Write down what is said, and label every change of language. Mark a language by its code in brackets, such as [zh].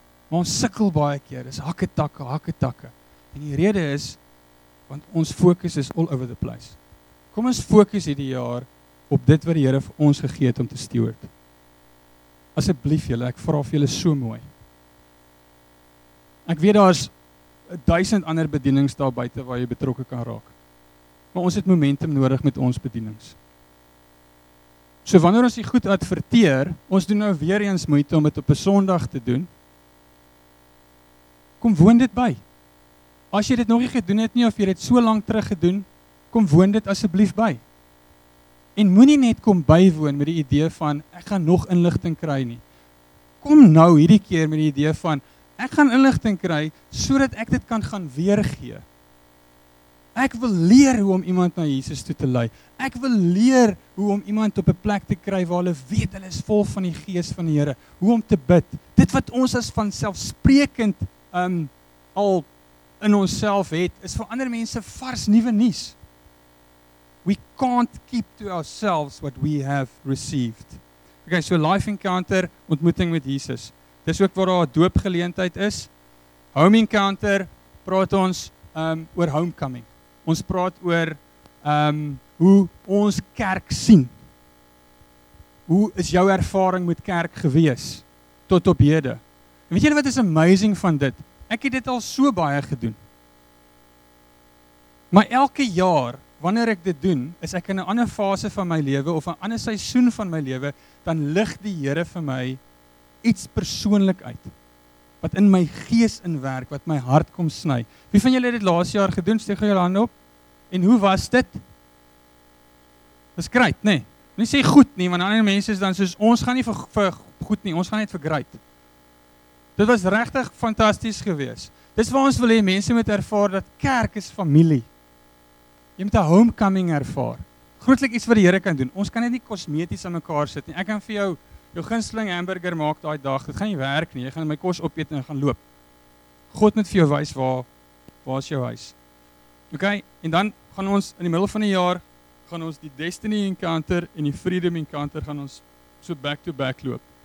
[af] Maar ons sukkel baie keer, dis hakketakke. En die rede is, want ons fokus is [en] all over the place. [af] Kom ons fokus hierdie jaar op dit wat die Here vir ons gegee het om te steward. Asseblief julle, ek vra vir julle so mooi. Ek weet daar is 1000 ander bedienings daar buite waar jy betrokke kan raak. Maar ons het momentum nodig met ons bedienings. So wanneer ons dit goed adverteer, ons doen nou weer eens moeite om dit op 'n Sondag te doen. Kom woon dit by. As jy dit nog nie gedoen het nie of jy dit so lank terug gedoen, kom woon dit asseblief by. En moenie net kom bywoon met die idee van ek gaan nog inligting kry nie. Kom nou hierdie keer met die idee van ek gaan inligting kry sodat ek dit kan gaan weergee. Ek wil leer hoe om iemand na Jesus toe te lei. Ek wil leer hoe om iemand op 'n plek te kry waar hulle weet hulle is vol van die Gees van die Here. Hoe om te bid. Dit wat ons as vanselfsprekend al in onsself het, is vir ander mense vars nuwe nuus. [en] We can't keep to ourselves what we have received. [af] Okay, so life encounter, ontmoeting met Jesus. Dis ook waar daar 'n doopgeleentheid is. Home encounter, praat ons oor homecoming. Ons praat oor hoe ons kerk sien. Hoe is jou ervaring met kerk gewees tot op hede? En weet julle wat is amazing van dit? Ek het dit al so baie gedoen. Maar elke jaar, wanneer ek dit doen, is ek in 'n ander fase van my lewe of 'n ander seisoen van my lewe, dan lig die Here vir my iets persoonlik uit wat in my gees in werk, wat my hart kom sny. Wie van julle het dit laas jaar gedoen? Steek gou julle hande op. En hoe was dit? Dis great, nê? Nee. Nie sê goed nie, want ander mense is dan soos ons gaan nie vir goed nie, ons gaan net vir great. Dit was regtig fantasties geweest. Dis waar ons wil hê mense moet ervaar dat kerk is familie. Jy moet 'n homecoming ervaar. Grootlik iets wat die Here kan doen. Ons kan dit nie kosmeties aan mekaar sit nie. Ek kan vir jou gunsteling hamburger maak daai dag. Dit gaan nie werk nie. Jy gaan my kos opeet en gaan loop. God moet vir jou wys waar is jou huis. OK, en dan gaan ons in die middel van die jaar gaan ons die Destiny Encounter en die Freedom Encounter gaan ons so [en] back to back [af] loop.